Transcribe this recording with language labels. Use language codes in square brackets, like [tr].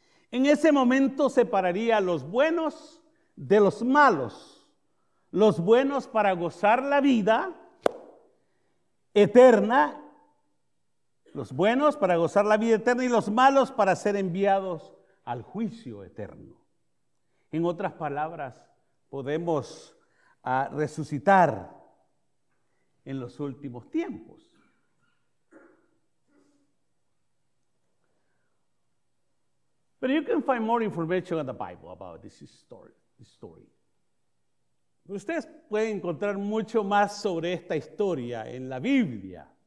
[es] En ese momento separaría a los buenos de los malos, los buenos para gozar la vida eterna, los buenos para gozar la vida eterna y los malos para ser enviados al juicio eterno. En otras palabras, podemos resucitar en los últimos tiempos. [en] But you can find more information in the Bible about this story. [es] Ustedes pueden encontrar mucho más sobre esta historia en la Biblia.